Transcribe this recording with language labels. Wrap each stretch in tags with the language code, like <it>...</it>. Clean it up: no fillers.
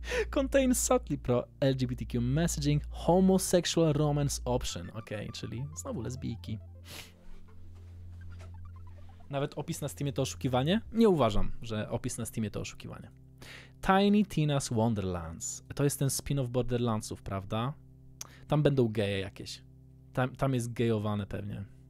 <en>Contains subtly pro LGBTQ messaging, homosexual romance option.</en> <pl>Okej, okay, czyli znowu lesbijki. Nawet opis na Steamie to oszukiwanie? Nie uważam, że opis na Steamie to oszukiwanie.</pl> <en>Tiny Tina's Wonderlands.</en> <pl>To jest ten spin-off Borderlandsów, prawda? Tam będą geje jakieś. Tam jest gejowane pewnie.</pl>